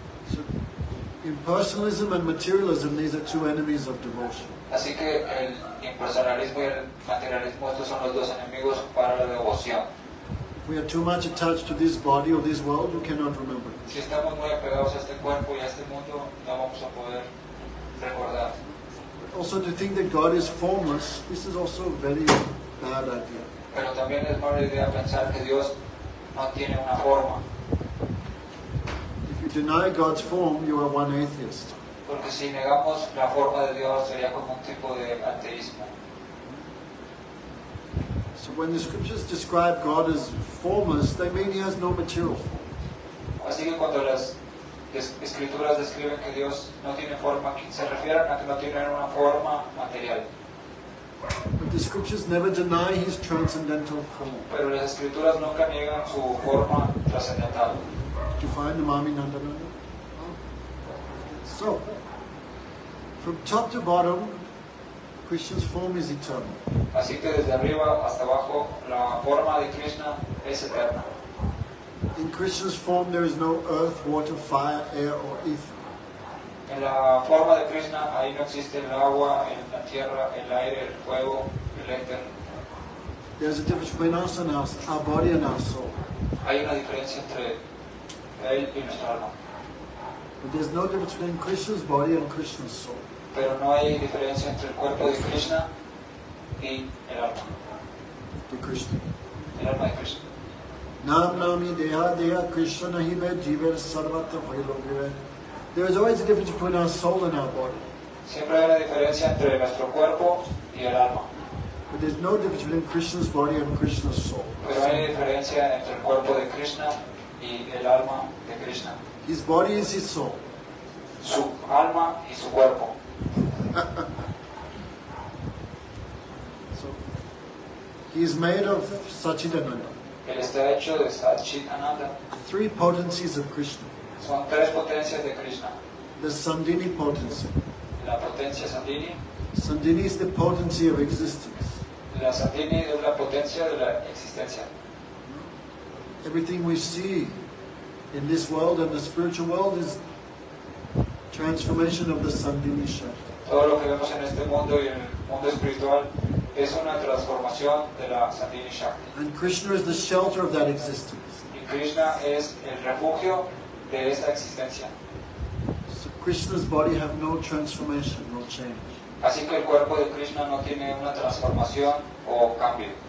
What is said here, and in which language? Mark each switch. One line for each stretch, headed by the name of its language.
English: So, impersonalism and materialism, these are two enemies of devotion.
Spanish: Así que el impersonalismo y el materialismo, estos son los dos enemigos para la devoción.
English: If we are too much attached to this body or this world, we cannot remember.
Spanish: Si estamos muy apegados a este cuerpo y a este mundo, no vamos a poder recordar.
English: Also, to think that God is formless, this is also a very bad idea.
Spanish: Pero también es mala idea pensar que Dios no tiene una forma.
English: If you deny God's form, you are one atheist.
Spanish: Porque si negamos la forma de Dios, sería como un tipo de ateísmo.
English: So when the scriptures describe God as formless, they mean he has no material form.
Spanish: Así que cuando las escrituras describen que Dios no tiene forma, se refieren a que no tiene una forma material.
English: But the scriptures never deny his transcendental form.
Spanish: Pero las escrituras nunca niegan su forma trascendental.
English: Did you find the Mami Nandananda? So, from top to bottom, Krishna's form is eternal.
Spanish: Así que desde arriba hasta abajo, la forma de Krishna es eterna.
English: In Krishna's form, there is no earth, water, fire, air, or ether.
Spanish: En la forma de Krishna, ahí no existe el agua, la tierra, el aire, el fuego, el éter.
English: There is a difference between us and us, our body and our soul.
Spanish: Hay una diferencia entre él y nuestra alma.
English: But there is no difference between Krishna's body and Krishna's soul.
Spanish: Pero no hay diferencia entre el cuerpo de Krishna y el alma. De Krishna. El alma de Krishna.
Sanskrit: Nam nami deha deha Krishna nahi me jivar sarvata vailogya.
English: There is always a difference between our soul and our body.
Spanish: Siempre hay una diferencia entre nuestro cuerpo y el alma.
English: But there's no difference between Krishna's body and Krishna's soul.
Spanish: Pero hay una diferencia entre el cuerpo de Krishna y el alma de Krishna.
English: His body is his soul.
Spanish: Su alma y su cuerpo.
English: So, he is made of Satchitananda.
Spanish: Él está hecho de Satchitananda.
English: Three potencies of Krishna.
Spanish: Son tres potencias de Krishna.
English: The Sandini potency.
Spanish: La potencia Sandini.
English: Sandini is the potency of existence.
Spanish: La Sandini es la potencia de la existencia.
English: Everything we see in this world and the spiritual world is transformation of the Sandini Shakti.
Spanish: Todo lo que vemos en este mundo y en el mundo espiritual es una transformación de la Sandini Shakti.
English: And Krishna is the shelter of that existence.
Spanish: Y Krishna es el refugio de esa existencia.
English: So Krishna's body have no transformation, no change.
Spanish: Así que el cuerpo de Krishna no tiene una transformación o cambio.